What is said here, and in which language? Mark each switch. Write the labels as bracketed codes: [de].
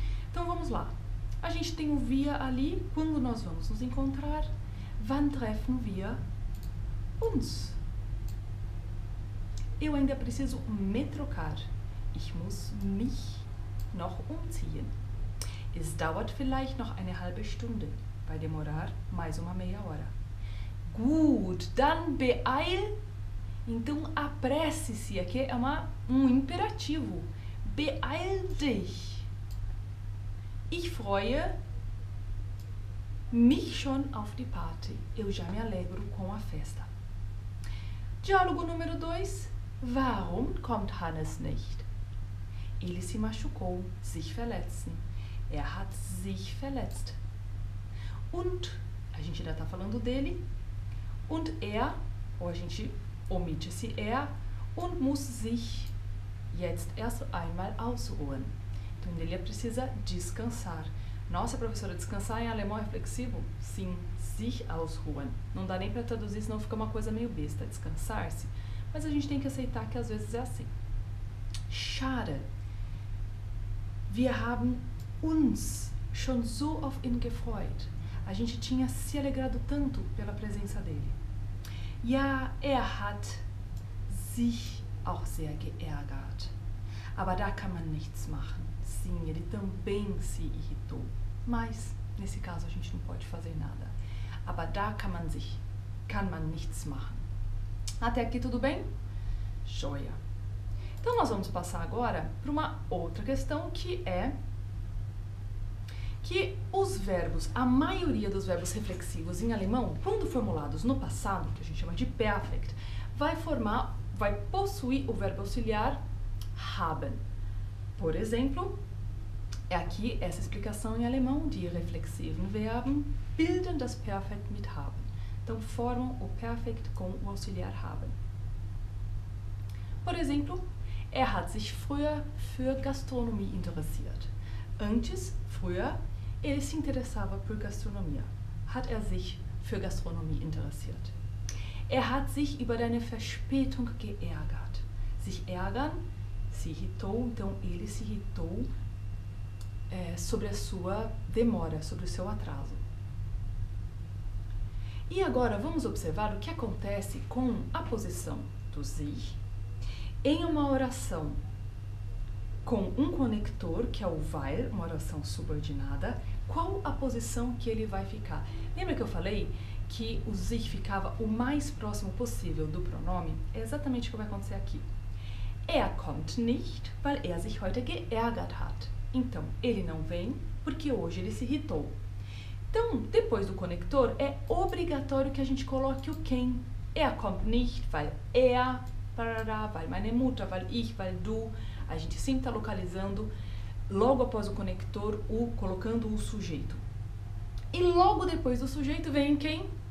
[pt] Então vamos lá. A gente tem o wir ali, quando nós vamos nos encontrar? [de] Wann treffen wir uns? [pt] Eu ainda preciso me trocar. [de] Ich muss mich noch umziehen. Es dauert vielleicht noch eine halbe Stunde. [pt] Vai demorar mais uma meia hora. [de] Gut, dann beeil [pt] Então, apresse-se. Aqui é um imperativo. [de] Beeil dich. Ich freue mich schon auf die Party. [pt] Eu já me alegro com a festa. Diálogo número 2. [de] Warum kommt Hannes nicht? [pt] Ele se machucou. [de] Sich verletzen. Er hat sich verletzt. [pt] Und, a gente ainda está falando dele. [de] Und er, [pt] ou a gente omite esse [de] er, und muss sich jetzt erst einmal ausruhen. [pt] Então, ele precisa descansar. Nossa, professora, descansar em alemão é flexivo? Sim, [de] sich ausruhen. [pt] Não dá nem para traduzir, senão fica uma coisa meio besta, descansar-se. Mas a gente tem que aceitar que às vezes é assim. [de] Schade. Wir haben uns schon so auf ihn gefreut. [pt] A gente tinha se alegrado tanto pela presença dele. [de] Ja, er hat sich auch sehr geärgert. Aber da kann man nichts machen. [pt] Sim, ele também se irritou. Mas, nesse caso, a gente não pode fazer nada. [de] Aber da kann man nichts machen. [pt] Até aqui tudo bem? Joia! Então, nós vamos passar agora para uma outra questão que é que os verbos, a maioria dos verbos reflexivos em alemão, quando formulados no passado, que a gente chama de perfect, vai possuir o verbo auxiliar haben. Por exemplo, é aqui essa explicação em alemão: [de] Die reflexiven Verben bilden das Perfekt mit haben. [pt] Então, formam o perfect com o auxiliar haben. Por exemplo, [de] er hat sich früher für Gastronomie interessiert. [pt] Antes, früher, ele se interessava por gastronomia. [de] Hat er sich für Gastronomie interessiert? Er hat sich über deine Verspätung geärgert. Sich ärgern, [pt] se irritou, então ele se irritou sobre a sua demora, sobre o seu atraso. E agora vamos observar o que acontece com a posição do sich em uma oração com um conector, que é o weil, uma oração subordinada. Qual a posição que ele vai ficar? Lembra que eu falei que o sich ficava o mais próximo possível do pronome? É exatamente o que vai acontecer aqui. [de] Er kommt nicht, weil er sich heute geärgert hat. [pt] Então, ele não vem porque hoje ele se irritou. Então, depois do conector, é obrigatório que a gente coloque o quem. [de] Er kommt nicht, weil parará, weil meine Mutter, weil ich, weil du. [pt] A gente sempre está localizando, logo após o conector, colocando o sujeito. E logo depois do sujeito vem quem?